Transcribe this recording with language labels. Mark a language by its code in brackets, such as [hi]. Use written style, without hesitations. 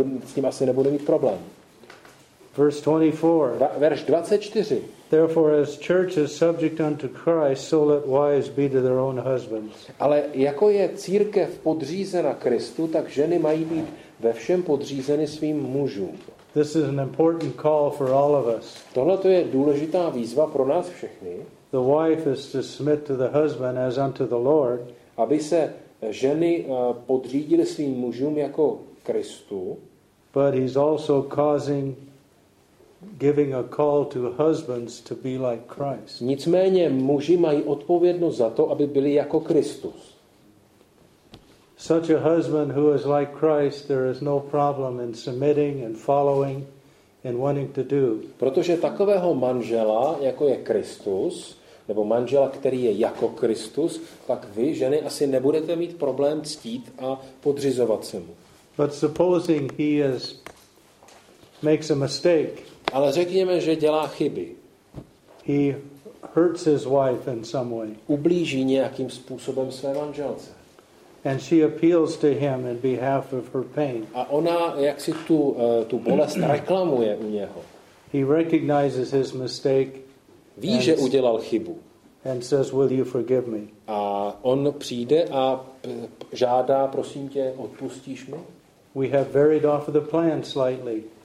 [cs] S tím asi nebude mít problém. [en] Verse 24. [cs] Verš 24. [en] Therefore as church is subject unto Christ, so let wives be to their own husbands. [cs] Ale jako je církev podřízena Kristu, tak ženy mají být ve všem podřízeny svým mužům. [en] This is an important call for all of us. [cs] Tohle to je důležitá výzva pro nás všechny. [en] The wife is to submit to the husband as unto the Lord. [cs] Aby se ženy podřídily svým mužům jako Kristu. [en] But he's also causing giving a call to husbands to be like Christ. [cs] Nicméně muži mají odpovědnost za to, aby byli jako Kristus. [en] Such a husband who is like Christ, there is no problem in submitting and following and wanting to do. [cs] Protože takového manžela, jako je Kristus, nebo manžela, který je jako Kristus, tak vy ženy asi nebudete mít problém ctít a podřizovat se mu. [en] But supposing he is makes a mistake. [cs] Ale řekněme, že dělá chyby. [en] He hurts his wife in some way. [cs] Ublíží nějakým způsobem své manželce. [en] And she appeals to him in behalf of her pain. [cs] A ona jaksi tu bolest reklamuje u něho. [en] He recognizes his mistake. [cs] Ví, že udělal chybu. [en] And says, "Will you forgive me?" [cs] A on přijde a žádá, prosím tě, odpustíš mi? [en] We have varied off of the plan slightly.